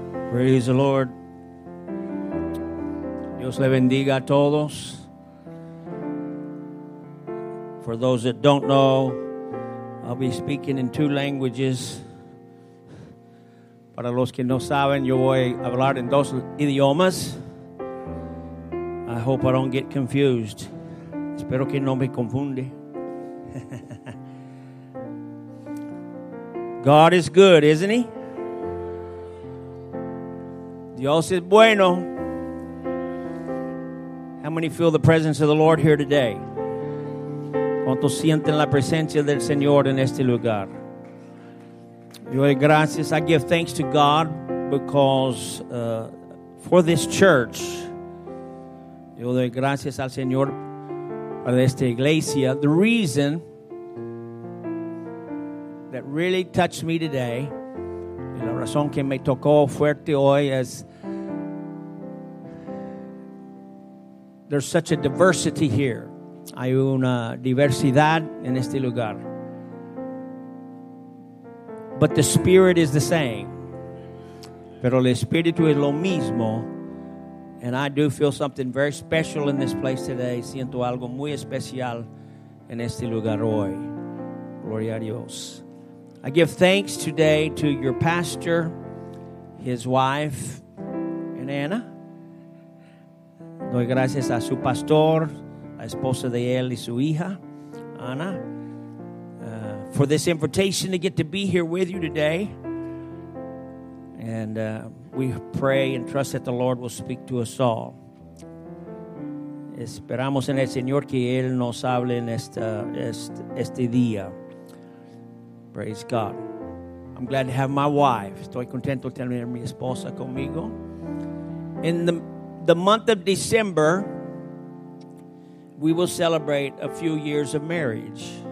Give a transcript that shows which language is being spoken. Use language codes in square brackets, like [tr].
[en] Praise the Lord. [es] Dios le bendiga a todos. [en] For those that don't know, I'll be speaking in two languages. [es] Para los que no saben, yo voy a hablar en dos idiomas. [en] I hope I don't get confused. [es] Espero que no me confunde. [en] God is good, isn't he? [es] Dios es bueno. [en] How many feel the presence of the Lord here today? [es] ¿Cuántos sienten la presencia del Señor en este lugar? Yo doy gracias. [en] I give thanks to God because for this church. [es] Yo doy gracias al Señor para esta iglesia. [en] The reason that really touched me today, [es] la razón que me tocó fuerte hoy es, [en] there's such a diversity here. [es] Hay una diversidad en este lugar. [en] But the spirit is the same. [es] Pero el espíritu es lo mismo. [en] And I do feel something very special in this place today. [es] Siento algo muy especial en este lugar hoy. Gloria a Dios. [en] I give thanks today to your pastor, his wife, and Anna. [es] Doy gracias a su pastor, la esposa de él y su hija, Ana, [en] for this invitation to get to be here with you today. And we pray and trust that the Lord will speak to us all. [es] Esperamos en el Señor que Él nos hable en este día. [en] Praise God. I'm glad to have my wife. [es] Estoy contento de tener mi esposa conmigo. [en] The month of December, we will celebrate a few years of marriage.